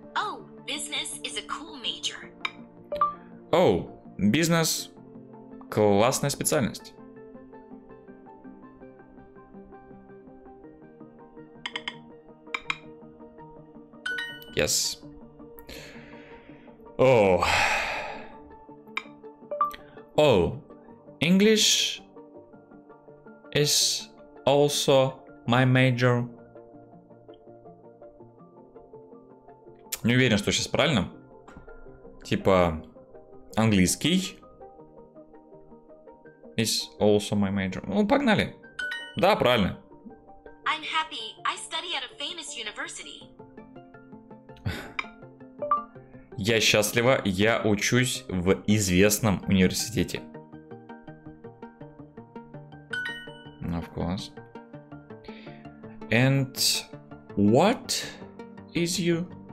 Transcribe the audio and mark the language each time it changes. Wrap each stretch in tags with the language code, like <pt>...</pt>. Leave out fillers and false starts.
<en>Oh, business is a cool major. Oh, business</en> <ru>– классная специальность.</ru> <en>Yes. Oh. Oh, English is also my major.</en> <ru>Не уверен, что сейчас правильно. Типа, английский</ru> <en>is also my major.</en> <ru>Ну, погнали. Да, правильно.</ru> <en>I'm happy. I study at a famous university.</en> <ru>Я счастлива, я учусь в известном университете.</ru> <en>Of course. And what is you?</en>